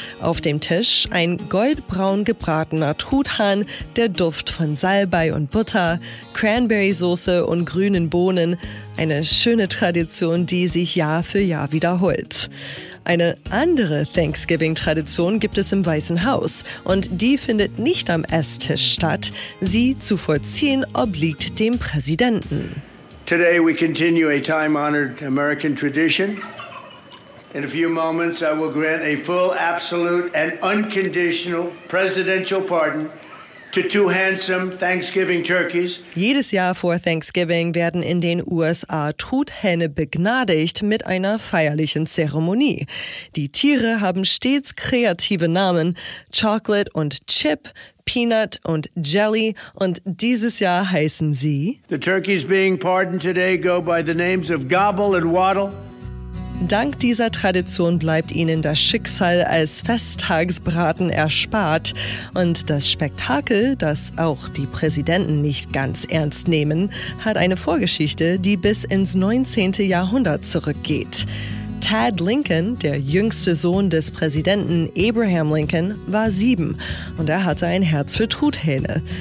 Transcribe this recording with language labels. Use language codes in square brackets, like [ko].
[de] Auf dem Tisch ein goldbraun gebratener Truthahn, der Duft von Salbei und Butter, Cranberry-Soße und grünen Bohnen. Eine schöne Tradition, die sich Jahr für Jahr wiederholt. Eine andere Thanksgiving-Tradition gibt es im Weißen Haus und die findet nicht am Esstisch statt. Sie zu vollziehen obliegt dem Präsidenten. [en] Today we continue a time-honored American tradition. In a few moments I will grant a full, absolute and unconditional presidential pardon to two handsome Thanksgiving turkeys. [de] Jedes Jahr vor Thanksgiving werden in den USA Truthähne begnadigt mit einer feierlichen Zeremonie. Die Tiere haben stets kreative Namen: Chocolate und Chip, Peanut und Jelly, und dieses Jahr heißen sie [en] The turkeys being pardoned today go by the names of Gobble and Waddle. [de] Dank dieser Tradition bleibt ihnen das Schicksal als Festtagsbraten erspart. Und das Spektakel, das auch die Präsidenten nicht ganz ernst nehmen, hat eine Vorgeschichte, die bis ins 19. Jahrhundert zurückgeht. Tad Lincoln, der jüngste Sohn des Präsidenten Abraham Lincoln, war 7 und er hatte ein Herz für Truthähne.